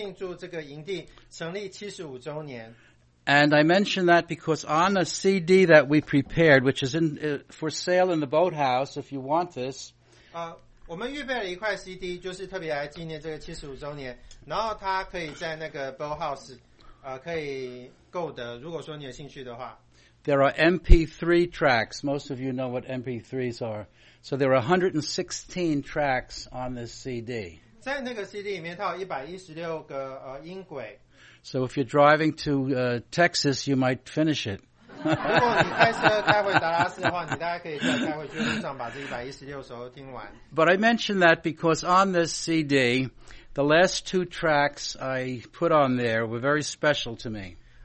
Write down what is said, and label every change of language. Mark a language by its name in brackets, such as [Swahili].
[Chinese] 去年我们就是庆祝这个营地成立75周年。 [English] And I mention that because on a CD that we prepared, which is for sale in the boathouse, if you want this. [Chinese] 我们预备了一块CD, 就是特别来纪念这个75周年, 然后它可以在那个boathouse, 可以购得, 如果说你有兴趣的话。 [English] There are MP3 tracks. Most of you know what MP3s are. So there are 116 tracks on this CD. [Chinese] 在那个CD里面它有116个, 音轨。 [English] So if you're driving to Texas, you might finish it. But I mention that because on this CD, the last two tracks I put on there were very special to me.